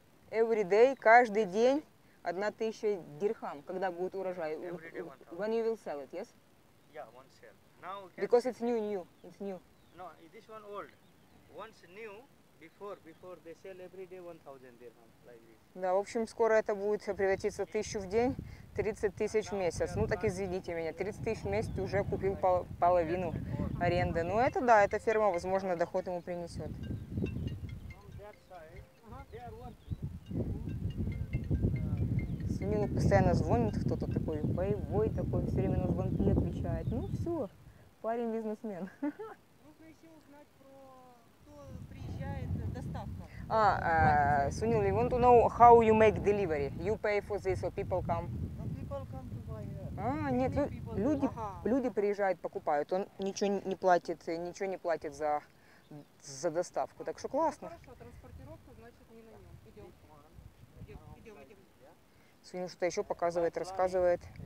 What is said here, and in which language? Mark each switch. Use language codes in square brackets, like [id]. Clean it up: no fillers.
[ru] Every day, каждый день 1000 дирхам, когда будет урожай. [en] When you will sell it, yes? Yeah, one sell. Now because it's new. It's new. No, this one old. Once new, before they sell every day 1000 dirham, like this. [ru] Да, в общем, скоро это будет превратиться в 1000 в день, 30 тысяч в месяц. Ну так извините меня, 30 тысяч в месяц уже купил половину аренды. Ну это да, эта ферма, возможно, доход ему принесет. Сунилу постоянно звонит кто-то такой, боевой такой, все время на звонки отвечает. Ну все, парень-бизнесмен. Нужно еще узнать про кто приезжает, доставка. [en] Sunil, you want to know how you make delivery? You pay for this, or people come? No, people come to buy. [ru] Нет, люди приезжают, покупают. Он ничего не платит за доставку. Так что классно. Хорошо, транспортировка, значит, не на нем. Идем. Sunil что-то еще показывает, рассказывает.